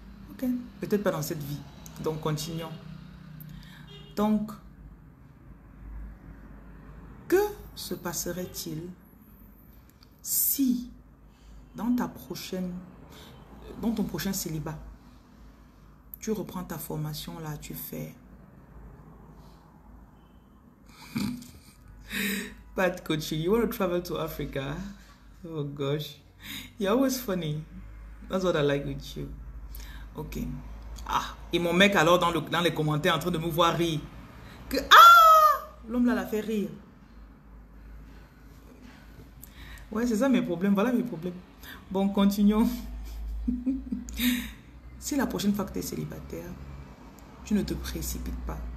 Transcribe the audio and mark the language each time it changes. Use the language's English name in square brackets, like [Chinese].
[French] Ok, peut-être pas dans cette vie. Donc, continuons. Donc, que se passerait-il si... dans ton prochain célibat, tu reprends ta formation là, tu fais bad coaching. [English] You want to travel to Africa? Oh gosh, you're always funny. That's what I like with you. Ok. [French] Ah, et mon mec alors dans les commentaires en train de me voir rire. Que, ah, l'homme là l'a fait rire. Ouais, c'est ça mes problèmes. Voilà mes problèmes. Bon, continuons. Si la prochaine fois que tu es célibataire, tu ne te précipites pas.